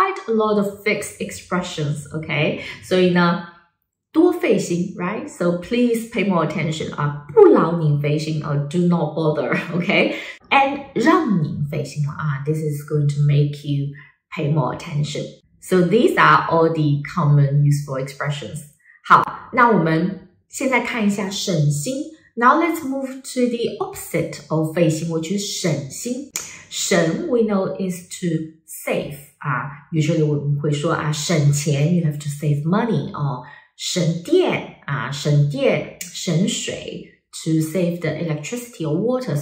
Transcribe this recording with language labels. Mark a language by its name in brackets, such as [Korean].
[English] quite a lot of fixed expressions, okay? So, in a 多费心, right? So, please pay more attention. 不劳您费心, or do not bother, okay? And 让您费心, this is going to make you pay more attention. So, these are all the common useful expressions. [Chinese] 好,那我们现在看一下省心。 [English] Now let's move to the opposite of 费心, which is 省心. 省, we know, is to save. Usually, [Chinese] 我们会说, [English] 省钱, you have to save money. Or 省电, 省电, 省水, to save the electricity or water.